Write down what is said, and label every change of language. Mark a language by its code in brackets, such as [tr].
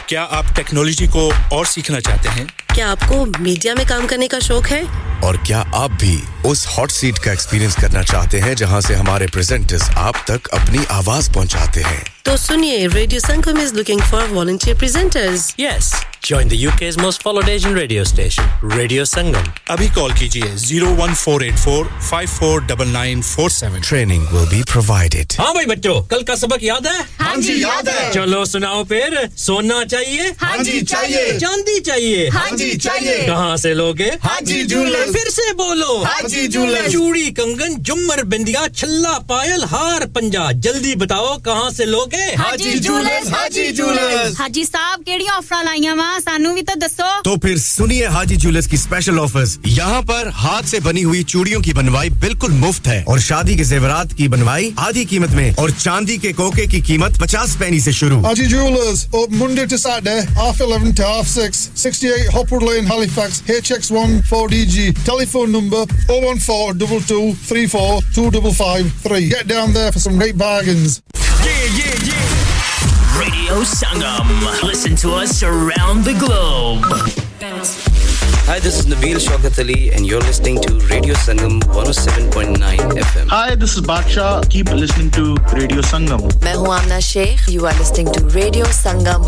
[hi] क्या आप टेक्नोलॉजी को और सीखना चाहते हैं? क्या आपको मीडिया में काम करने का शौक है? और क्या आप भी उस हॉट सीट का एक्सपीरियंस करना चाहते हैं जहां से हमारे प्रेजेंटर्स आप तक अपनी आवाज पहुंचाते हैं? तो सुनिए, [en] Radio Sangam is looking for volunteer presenters. Yes, join the UK's most followed Asian radio station, Radio Sangam. [hi] अभी कॉल कीजिए 01484 549947. [en] Training will be provided. [hi] Haan bhai bachcho, kal ka sabak yaad hai? Haan हां जी याद है चलो सुनाओ फिर सोना चाहिए हां जी चाहिए चांदी चाहिए हां जी चाहिए कहां से लोगे हां जी झूले फिर से बोलो हां जी झूले चूड़ी कंगन जुमर बिंदिया छल्ला पायल हार पंजा जल्दी बताओ कहां से लोगे हां जी झूले हां जी झूले [pa] हाजी साहब केड़ी ऑफर लाईया वा सानू भी तो दसो [hi] तो फिर सुनिए हाजी ज्वेलर्स की स्पेशल ऑफर्स यहां पर हाथ से बनी हुई चूड़ियों की बनवाई बिल्कुल मुफ्त है और शादी के जेवरात की बनवाई आधी कीमत में और चांदी के कोके की कीमत 50 पैनी से शुरू [en] Haji jewellers open Monday to Saturday half 11 to half 6 68 Hopwood Lane Halifax HX1 4DG telephone number 01422342553 get down there for some great bargains Radio Sangam. Listen to us around the globe. Hi, this is Nabeel Shaukat Ali, and you're listening to Radio Sangam 107.9 FM. Hi, this is Badshah. Keep listening to Radio Sangam. [hi] Main hu Amna Sheikh. [en] You are listening to Radio Sangam.